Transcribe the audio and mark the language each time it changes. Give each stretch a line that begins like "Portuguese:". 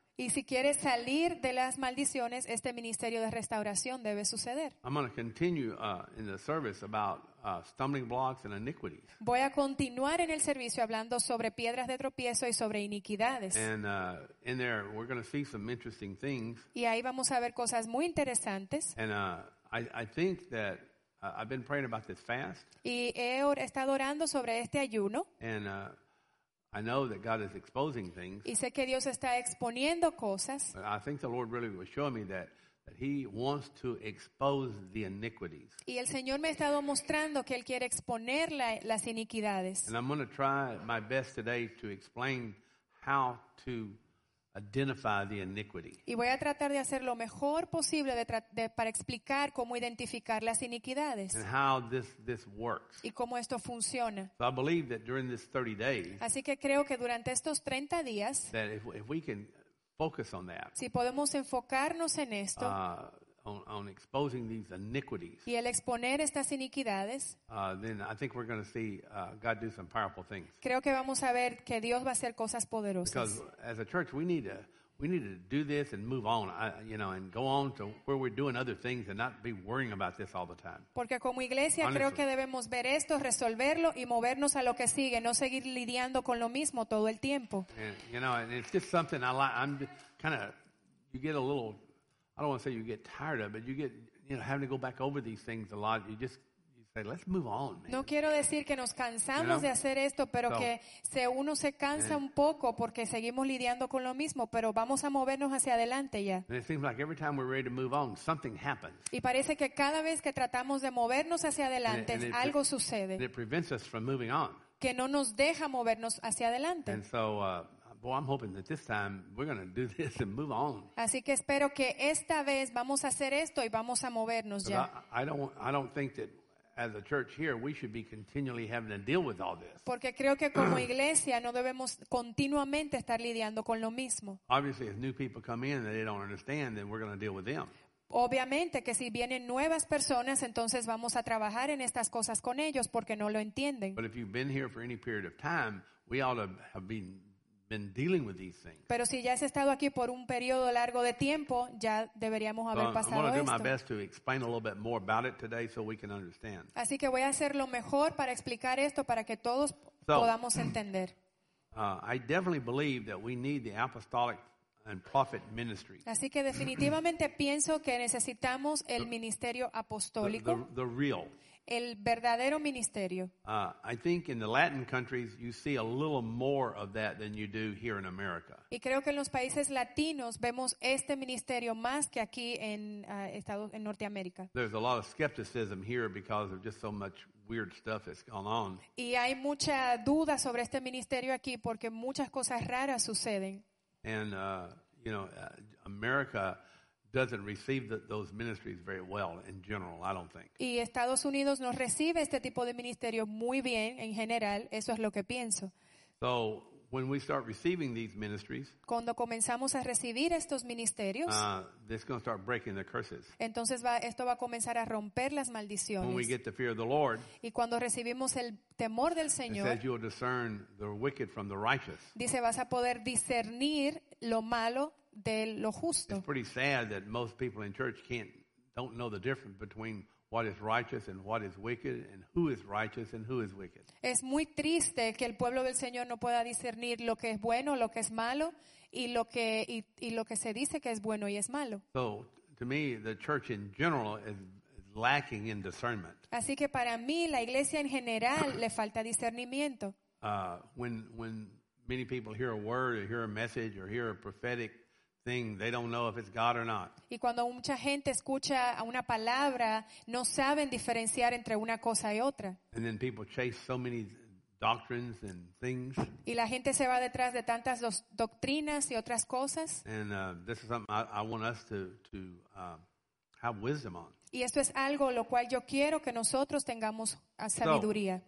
Spanish: Y si quieres salir de las maldiciones, este ministerio de restauración debe suceder.
English: I'm going to continue in the service about stumbling blocks and iniquities.
Spanish: Voy a continuar en el servicio hablando sobre piedras de tropiezo y sobre iniquidades.
English: And in there, we're going to see some interesting things.
Spanish: Y ahí vamos a ver cosas muy interesantes.
English: And I think that I've been praying about this fast.
Spanish: Y he estado orando sobre este ayuno.
English: And I know that God is exposing things.
Spanish: Y sé que Dios está exponiendo cosas.
English: But I think the Lord really was showing me that he wants to expose the iniquities.
Spanish: Y el Señor me ha estado mostrando que él quiere exponer las iniquidades.
English: And I'm going to try my best today to explain how to identify the iniquity.
Spanish: Y voy a tratar de hacer lo mejor posible para explicar cómo identificar las iniquidades.
English: And how this works.
Spanish: Y cómo esto funciona.
English: So I believe that during this 30 days.
Spanish: Así que creo que durante estos 30 días.
English: That if we can focus on that.
Spanish: Si podemos enfocarnos en esto.
English: On exposing these iniquities.
Spanish: Y el exponer estas iniquidades.
English: Then I think we're going to see God do some powerful things.
Spanish: Creo que vamos a ver que Dios va a hacer cosas poderosas.
English: Because as a church we need to do this and move on, you know, and go on to where we're doing other things and not be worrying about this all the time.
Spanish: Porque como iglesia creo que debemos ver esto, resolverlo y movernos a lo que sigue, no seguir lidiando con lo mismo todo el tiempo.
English: You know, and it's just something I like. I'm kind of, you get a little, I don't want to say you get tired of it, but you get, you know, having to go back over these things a lot. You say, let's move on, man.
Spanish: No quiero decir que nos cansamos,
English: you know,
Spanish: de hacer esto, pero so, que se uno se cansa un poco porque seguimos lidiando con lo mismo, pero vamos a movernos hacia adelante ya.
English: And it seems like every time we're ready to move on, something happens.
Spanish: Y parece que cada vez que tratamos de movernos hacia adelante,
English: and it
Spanish: algo sucede.
English: And it prevents us from moving on.
Spanish: Que no nos deja movernos hacia adelante.
English: And so, well, I'm hoping that this time we're going to do this and move on.
Spanish: Así que espero que esta vez vamos a hacer esto y vamos a movernos ya.
English: I don't think that as a church here we should be continually having to deal with all this.
Spanish: Porque creo que como iglesia no debemos continuamente estar lidiando con lo mismo.
English: Obviously, if new people come in and they don't understand, then we're going to deal with them.
Spanish: Obviamente que si vienen nuevas personas, entonces vamos a trabajar en estas cosas con ellos porque no lo entienden.
English: But if you've been here for any period of time, we ought to have been dealing with these things.
Spanish: Pero si ya has estado aquí por un periodo largo de tiempo, ya deberíamos haber pasado esto.
English: I'm going to do my best to explain a little bit more about it today so we can understand.
Spanish: Así que voy a hacer lo mejor para explicar esto para que todos podamos entender.
English: I definitely believe that we need the apostolic and prophet ministry.
Spanish: Así que definitivamente pienso que necesitamos el ministerio apostólico.
English: The real.
Spanish: El verdadero ministerio.
English: I think in the Latin countries you see a little more of that than you do here in America.
Spanish: Y creo que en los países latinos vemos este ministerio más que aquí en Norteamérica.
English: There's a lot of skepticism here because of just so much weird stuff that's gone on.
Spanish: Y hay mucha duda sobre este ministerio aquí porque muchas cosas raras suceden.
English: And you know, America doesn't receive those ministries very well in general, I don't think.
Spanish: Y Estados Unidos no recibe este tipo de ministerio muy bien en general, eso es lo que pienso.
English: So, when we start receiving these ministries,
Spanish: cuando comenzamos a recibir estos ministerios,
English: this is going to start breaking the curses.
Spanish: Entonces esto va a comenzar a romper las maldiciones.
English: When we get the fear of the Lord,
Spanish: y cuando recibimos el temor del Señor,
English: it says you'll discern the wicked from the righteous.
Spanish: Dice, vas a poder discernir lo malo de lo justo.
English: It's pretty sad that most people in church don't know the difference between what is righteous and what is wicked, and who is righteous and who is wicked.
Spanish: Es muy triste que el pueblo del Señor no pueda discernir lo que es bueno, lo que es malo, y lo que se dice que es bueno y es malo.
English: So, to me, the church in general is lacking in discernment.
Spanish: Así que para mí, la iglesia en general le falta discernimiento.
English: When many people hear a word or hear a message or hear a prophetic thing, they don't know if it's God or not.
Spanish: Y cuando mucha gente escucha una palabra, no saben diferenciar entre una cosa y otra.
English: And then people chase so many doctrines and things.
Spanish: Y la gente se va detrás de tantas doctrinas y otras cosas.
English: And this is something I want us to have wisdom on.
Spanish: Y esto es algo lo cual yo quiero que nosotros tengamos sabiduría.